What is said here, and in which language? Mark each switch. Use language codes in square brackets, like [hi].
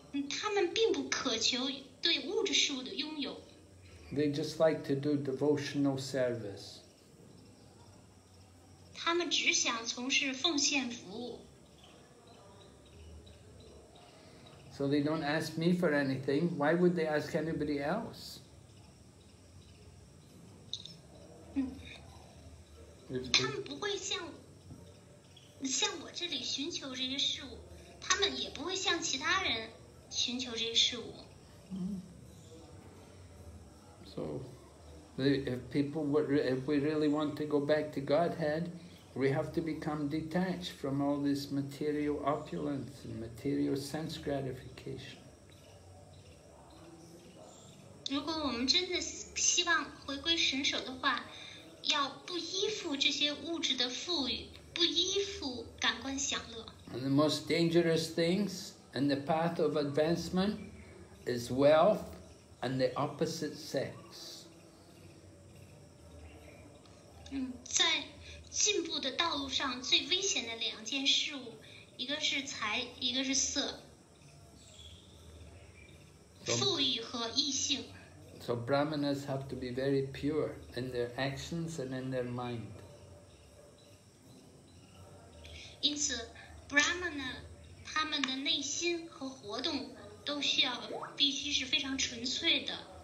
[zh] 他们并不渴求对物质事物的拥有。 [en] They just like to do devotional service. [zh] 他们只想从事奉献服务。 [en] So they don't ask me for anything. Why would they ask anybody else? They [zh] 他们不会向我这里寻求这些事物，他们也不会向其他人寻求这些事物。 [en] So, if we really want to go back to Godhead, we have to become detached from all this material opulence and material sense gratification. [zh] 如果我们真的希望回归神手的话，要不依附这些物质的富裕，不依附感官享乐。 [en] And the most dangerous things in the path of advancement is wealth and the opposite sex. [zh] 在进步的道路上最危险的两件事物，一个是财，一个是色。富裕和异性。 [en] So Brahmanas have to be very pure in their actions and in their mind. [zh] 因此 ，Brahmana 他们的内心和活动都需要必须是非常纯粹的。